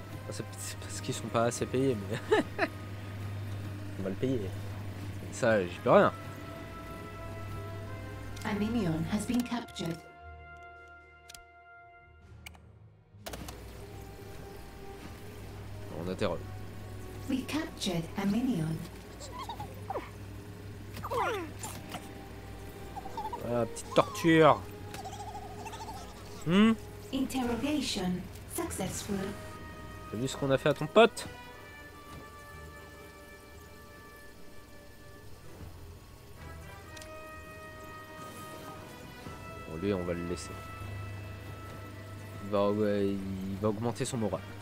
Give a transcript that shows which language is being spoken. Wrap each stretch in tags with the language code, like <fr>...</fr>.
<fr>C'est parce qu'ils sont pas assez payés, mais on va le payer. Ça, j'y peux rien.</fr> <en>A minion has been captured.</en> <fr>On interroge.</fr> <en>We captured a minion.</en> <fr>Ah, petite torture.</fr> <en>Interrogation successful.</en> <fr>T'as vu ce qu'on a fait à ton pote? Bon, lui, on va le laisser. Il va augmenter son moral.</fr>